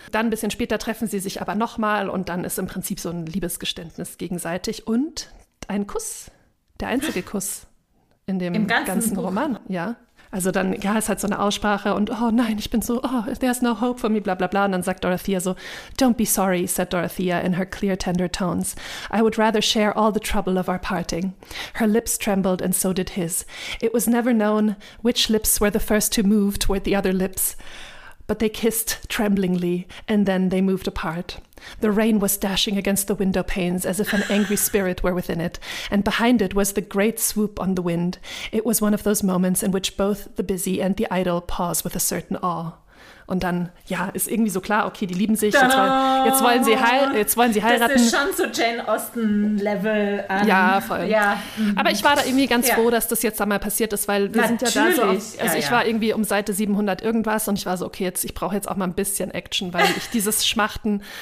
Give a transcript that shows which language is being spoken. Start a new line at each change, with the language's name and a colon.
German: Dann ein bisschen später treffen sie sich aber nochmal und dann ist im Prinzip so ein Liebesgeständnis gegenseitig und ein Kuss, der einzige Kuss in dem ganzen Roman. Ja. Also dann, ist halt so eine Aussprache und oh nein, ich bin so, oh,
English: there's no hope for me,
German: bla bla bla. Und dann sagt Dorothea so,
English: don't be sorry, said Dorothea in her clear, tender tones. I would rather share all the trouble of our parting. Her lips trembled and so did his. It was never known which lips were the first to move toward the other lips. But they kissed tremblingly and then they moved apart. The rain was dashing against the window panes as if an angry spirit were within it, and behind it was the great swoop on the wind. It was one of those moments in which both the busy and the idle pause with a certain awe.
German: Und dann, ist irgendwie so klar, okay, die lieben sich, jetzt wollen sie heiraten. Das ist schon so Jane Austen-Level. Voll. Ja. Aber ich war da irgendwie ganz froh, dass das jetzt da mal passiert ist, weil wir sind ja da so, ich war irgendwie um Seite 700 irgendwas und ich war so, okay, ich brauche jetzt auch mal ein bisschen Action, weil ich dieses Schmachten.